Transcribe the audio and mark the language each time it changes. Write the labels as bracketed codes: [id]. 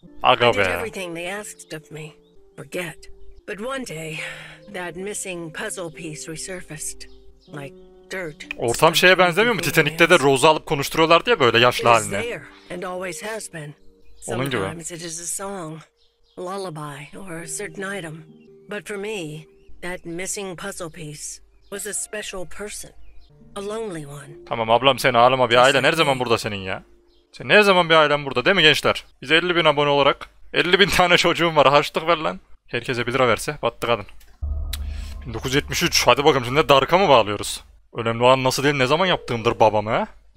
[tr] Aga be. [en] I did everything they asked of me. Forget. But one day, that missing puzzle piece resurfaced, like dirt. [tr] Ortam şeye benzemiyor mu? Titanik'te de Rose'u alıp konuşturuyorlardı ya böyle yaşlı haline. [en] And always has been. [tr] Onun gibi. [en] Sometimes it is a song, lullaby, or a certain item. But for me, that missing puzzle piece was a special person, a lonely one. [tr] Tamam ablam, sen ağlama, bir ailen her zaman burada senin ya. Sen ne zaman bir ailen burada, değil mi gençler? Biz 50 bin abone olarak, 50 bin tane çocuğum var, harçlık ver lan. Herkese 1 lira verse, battı kadın. 1973, hadi bakalım şimdi Dark'a mı bağlıyoruz? Önemli olan nasıl değil, ne zaman yaptığımdır babamı.